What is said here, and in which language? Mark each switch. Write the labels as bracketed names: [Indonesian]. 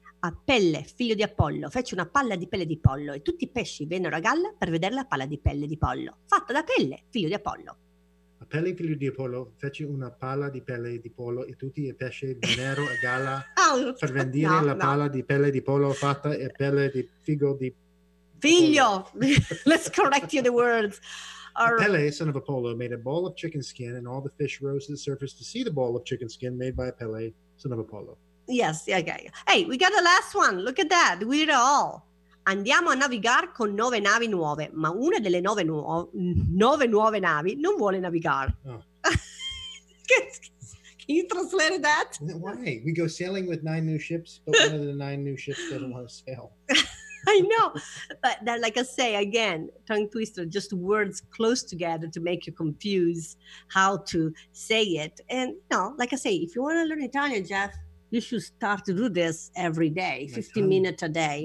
[Italian] A pelle, figlio di Apollo, fece una palla di pelle di pollo e tutti I pesci vennero a galla per vedere la palla di pelle di pollo, fatta da pelle, figlio di Apollo. A pelle, figlio di Apollo, fece una palla di pelle di pollo e tutti I pesci vennero a galla per vendere la palla di pelle di pollo fatta e pelle di figo di... [English] Figlio! Let's correct you the words. Right. Apelle, son of Apollo, made a ball of chicken skin and all the fish rose to the surface to see the ball of chicken skin made by Apelle, son of Apollo. Yes, yeah, okay. Hey, we got the last one. Look at that. We did it all. [Italian] Andiamo a navigar con nove navi nuove, ma una delle nove nuove navi non vuole navigar. Oh. [English] Can you translate that? Why? We go sailing with nine new ships, but one of the nine new ships doesn't want to sail. I know. But that, like I say, again, tongue twister, just words close together to make you confuse how to say it. And, you know, like I say, if you want to learn Italian, Jeff, you should start to do this every day, 15 minutes a day.